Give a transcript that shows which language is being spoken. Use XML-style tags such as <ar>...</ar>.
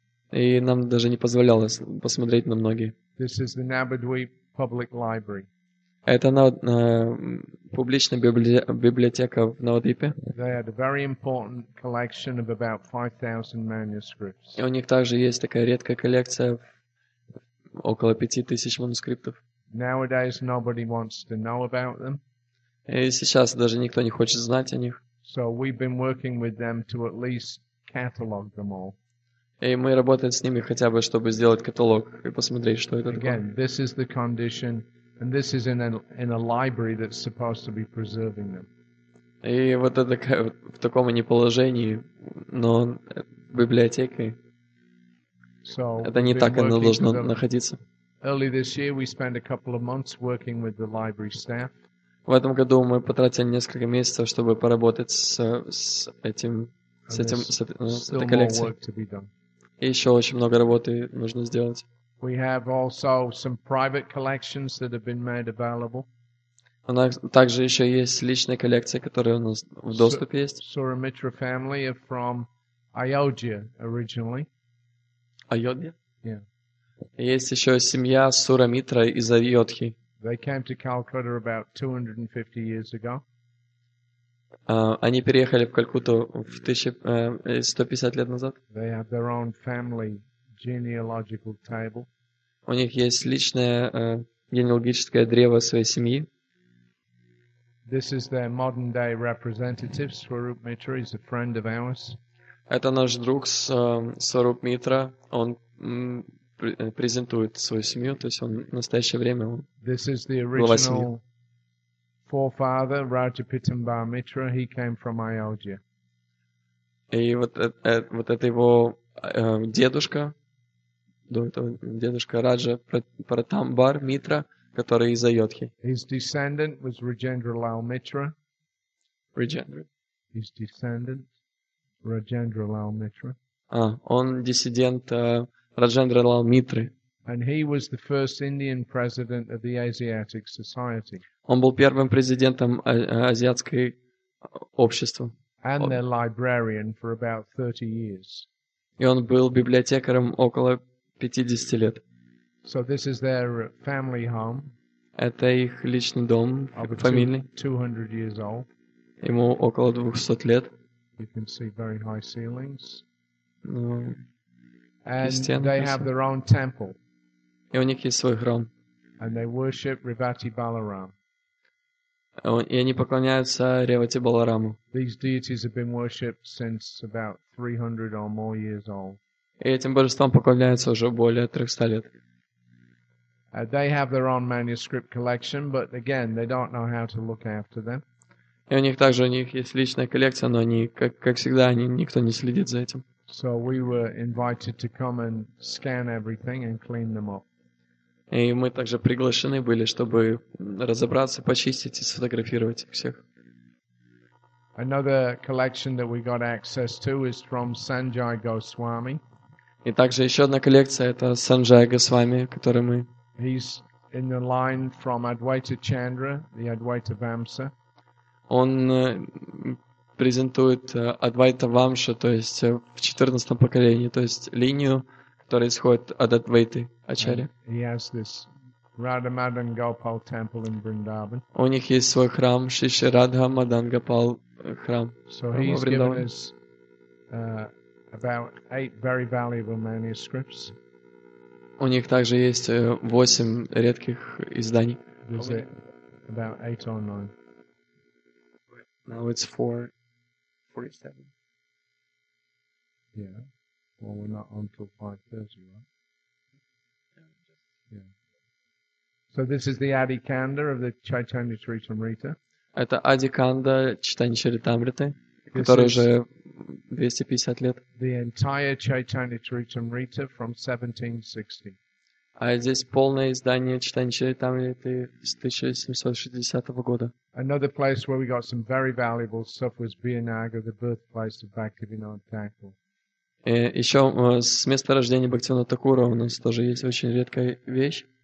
<ru>И нам даже не позволялось посмотреть на многие.</ru> <en>This is the Navadvip Public Library.</en> <ru>Это публичная библиотека в Новодвипе.</ru> <en>They had a very important collection of about 5,000 manuscripts.</en> <ru>И у них также есть такая редкая коллекция около 5,000 манускриптов.</ru> <en>Nowadays nobody wants to know about them.</en> <ru>И сейчас даже никто не хочет знать о них.</ru> <en>So we've been working with them to at least catalog them all.</en> <ru>И мы работаем с ними хотя бы, чтобы сделать каталог и посмотреть, что это такое.</ru> <en>Again, this is the condition. And this is in a library that's supposed to be preserving them.</en> <ru>И вот это в таком они положении, но библиотекой.</ru> <en>So</en> <ru>это не так оно должно находиться.</ru> <en>Early this year, we spent a couple of months working with the library staff.</en> <ru>В этом году мы потратили несколько месяцев, чтобы поработать с этой коллекцией. И еще очень много работы нужно сделать.</ru> <en>We have also some private collections that have been made available.</en> <ru>У нас также еще есть личные коллекции, которые у нас в доступе есть.</ru> <en>Suramitra family are from Ayodhya originally. Ayodhya? Yeah.</en> <ru>Есть еще семья Сурамитра из Айодхи.</ru> <en>They came to Calcutta about 250 years ago.</en> <ru>Они переехали в Калькутту в 150 лет назад.</ru> <en>They have their own family genealogical table.</en> <ru>У них есть личное генеалогическое древо своей семьи.</ru> <en>This is their modern day representative, Swarup Mitra, he's a friend of ours.</en> <ru>Это наш друг Сваруп Митра. Он презентует свою семью, то есть он в настоящее время глава семьи.</ru> <en>This is the original forefather, Rajapitambar Mitra. He came from Ayodhya.</en> <ru>И вот это его дедушка. До этого дедушка Раджа Пратамбар Митра, который из Айодхи.</ru> <en>His descendant was Rajendralal Mitra. His descendant, Rajendralal Mitra.</en> <ru>Он диссидент Раджендралал Митры.</ru> <en>And he was the first Indian president of the Asiatic Society.</en> <ru>Он был первым президентом азиатского общества.</ru> <en>And their librarian for about 30 years.</en> <ru>И он был библиотекарем около 50 лет.</ru> <en>So this is their family home.</en> <ru>Это их личный дом, фамильный.</ru> <en>200 years old.</en> <ru>Ему около 200 лет.</ru> <en>You can see very high ceilings. And they have their own temple.</en> <ru>И у них есть свой храм.</ru> <en>And they worship Revati Balaram.</en> <ru>И они поклоняются Ревати Балараму.</ru> <en>These deities have been worshipped since about 300 or more years old.</en> <ru>И этим божествам поклоняются уже более 300 лет.</ru> <en>They have their own manuscript collection, but again, they don't know how to look after them.</en> <ru>И у них есть личная коллекция, но они, как всегда, никто не следит за этим.</ru> <en>So we were invited to come and scan everything and clean them up.</en> <ru>И мы также приглашены были, чтобы разобраться, почистить и сфотографировать всех.</ru> <en>Another collection that we got access to is from Sanjay Goswami.</en> <ru>И также еще одна коллекция это Санджай Госвами, который мы.</ru> <en>He's in the line from Advaita Chandra, the Advaita Vamsa.</en> <ru>Он презентует Адвайта Вамша, то есть в 14-м поколении, то есть линию, которая исходит от Адвайты Ачарьи.</ru> <en>He has this Radha-Madan Gopal temple in Vrindavan.</en> <ru>У них есть свой храм Шиши Радха Мадан Гопал храм.</ru> <en>So he's given us about 8 very valuable manuscripts.</en> <ru>У них также есть 8 редких изданий.</ru> <en>Is it about 8 or 9? Now it's 4:47. Yeah. Well, we're not until 5:30, right? Yeah. So this is the Adi Kanda of the Chaitanya Charitamrita.</en> <ru>Это Ади Канда Чайтанья Чаритамриты, который уже 250 лет.</ru> <en>The entire Chaitanya Charitamrita from 1760.</en> <ru>А здесь полное издание Чайтанья Чаритамриты с 1760 года.</ru> <en>Another place where we got some very valuable stuff was Bihanaga, the birthplace of Bhaktivinoda Thakur.</en> <ru>Еще с места рождения Бхактивинода Такура у нас тоже есть очень редкая вещь.</ru>